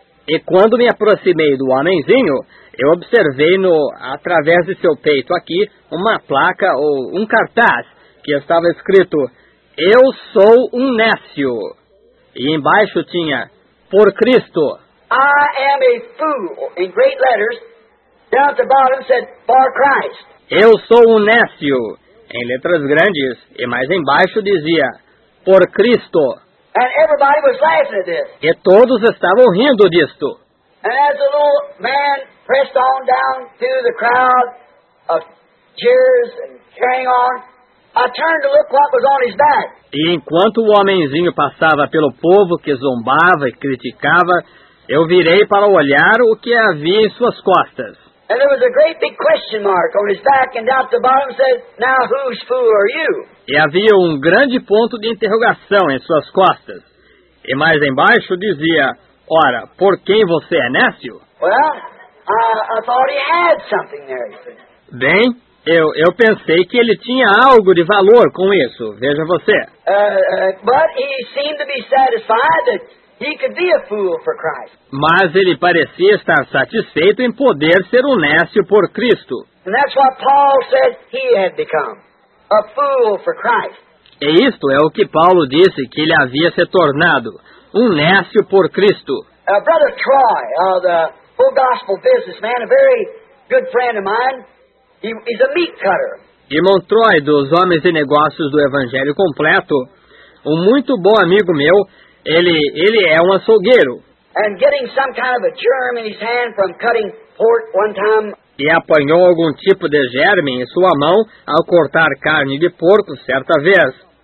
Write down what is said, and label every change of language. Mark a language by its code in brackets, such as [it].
[pt] E quando me aproximei do homenzinho, eu observei no através de seu peito aqui uma placa ou um cartaz que estava escrito "Eu sou um nécio" e embaixo tinha "Por Cristo." [en] I am a fool in great letters. Down at the bottom said "For Christ." [pt] Eu sou um nécio em letras grandes e mais embaixo dizia "Por Cristo." [en] And everybody was laughing at this. [pt] E todos estavam rindo disto. [en] And as the little man pressed on down through the crowd of cheers and carrying on, I turned to look what was on his back. [pt] E enquanto o homenzinho passava pelo povo que zombava e criticava, eu virei para olhar o que havia em suas costas. [en] And there was a great big question mark on his back, and down at the bottom said, "Now whose fool are you?" [pt] E havia um grande ponto de interrogação em suas costas. E mais embaixo dizia, "Ora, por quem você é nécio?" [en] Well, I thought he had something there. [pt] Bem, eu pensei que ele tinha algo de valor com isso. Veja você. [en] But he seemed to be satisfied that he could be a fool for Christ. [pt] Mas ele parecia estar satisfeito em poder ser um nécio por Cristo. [en] And that's what Paul said he had become. A fool for Christ. [pt] E isto é o que Paulo disse que ele havia se tornado, um nécio por Cristo. [en] Brother Troy, the full gospel businessman, a very good friend of mine, he's a meat cutter. [pt] Irmão Troy, dos homens de negócios do Evangelho Completo, um muito bom amigo meu, ele é um açougueiro. [en] And getting some kind of a germ in his hand from cutting pork one time. [pt] E apanhou algum tipo de germe em sua mão ao cortar carne de porco certa vez.